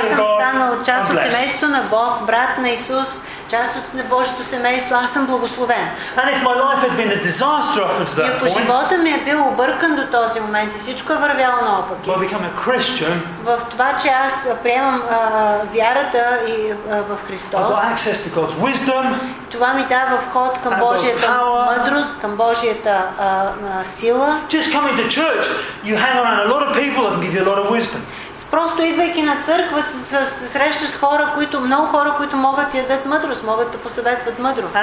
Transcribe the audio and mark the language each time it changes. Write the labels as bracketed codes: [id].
[bg] аз съм станал част от семейството на Бог, брат на Исус, част от Божието семейство, аз съм благословен. [en] And if my life had been a disaster up until that point, [bg] живота ми е бил объркан до този момент и всичко е вървяло наопаки. [en] By becoming a Christian, [bg] в това, че аз приемам вярата и в Христос, [en] I've got access to God's wisdom, [bg] това ми дава вход към Божията мъдрост, към Божията сила. [en] Just coming to church, you hang around a lot of people that can give you a lot of wisdom. [bg] Просто идвайки на църква, се срещаш с хора, които много хора, които могат ти дадат мъдрост, могат да посъветват мъдро.